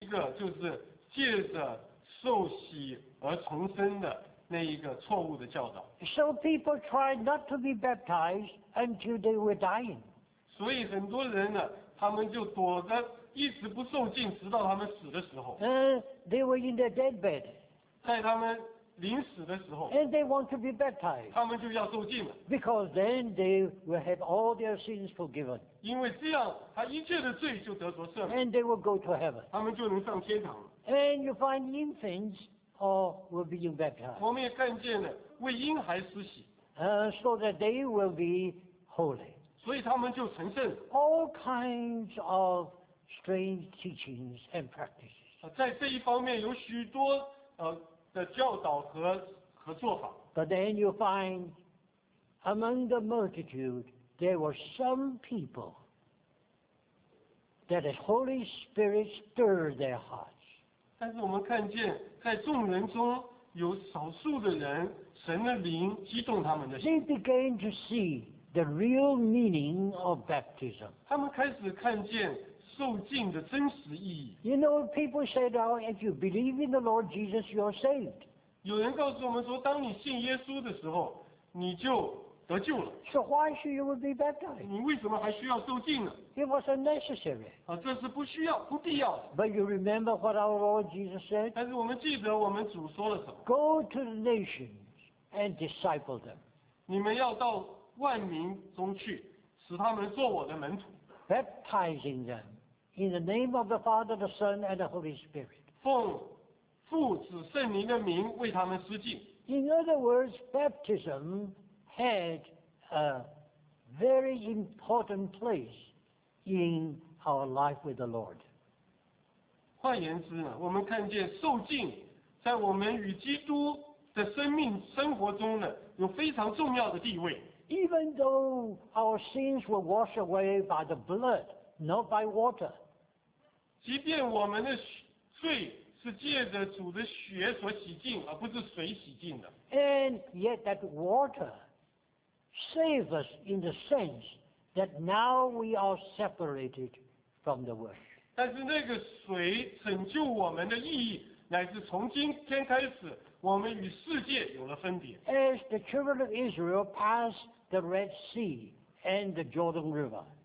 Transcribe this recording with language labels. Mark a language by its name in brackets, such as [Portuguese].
[Chinese] 个就是借着受洗而重生的那一个错误的教导。 [English] So people try not to be baptized until they were dying. [Chinese] 所以很多人呢，他们就躲着，一直不受浸，直到他们死的时候。 [English] They were in their deathbed. [Chinese] 在他们临死的时候， [English] And they want to be baptized. [Chinese] 他们就要受浸了。 [English] Because then they will have all their sins forgiven. [Chinese] 因为这样，他一切的罪就得着赦免。 [English] And they will go to heaven. [Chinese] 他们就能上天堂了。 [English] And you find infants all were being baptized. [Chinese] 我们也看见了为婴孩施洗。 [English] So that they will be holy. [Chinese] 所以他们就成圣。 [English] All kinds of strange teachings and practices. [Chinese] 在这一方面有许多的教导和做法。 [English] But then you find among the multitude there were some people that the Holy Spirit stirred their heart. [Chinese] 但是我们看见，在众人中有少数的人，神的灵激动他们的心。 [English] They began to see the real meaning of baptism. [Chinese] 他们开始看见受浸的真实意义。 [English] You know, people said, "Oh, if you believe in the Lord Jesus, you are saved." [Chinese] 有人告诉我们说，当你信耶稣的时候，你就得救了。 [English] So why should you be baptized? [Chinese] 你为什么还需要受浸呢？ [English] It was unnecessary. [Chinese] 这是不需要、不必要的。 [English] But you remember what our Lord Jesus said? [Chinese] 但是我们记得我们主说了什么 [English] ？Go to the nations and disciple them. [Chinese] 你们要到万民中去，使他们做我的门徒。 [English] Baptizing them in the name of the Father, the Son, and the Holy Spirit. [Chinese] 奉父、子、圣灵的名为他们施浸。 [English] In other words, baptism had a very important place. In our life with the Lord. [Chinese] 换言之呢，我们看见受浸在我们与基督的生命生活中呢，有非常重要的地位。 [English] Even though our sins were washed away by the blood, not by water. [Chinese] 即便我们的罪是借着主的血所洗净，而不是水洗净的。 [English] And yet that water saves us in the sense. That now we are separated from the world. [Chinese] 但是那个水拯救我们的意义，乃是从今天开始，我们与世界有了分别。 [English] As the children of Israel passed the Red Sea and the Jordan River.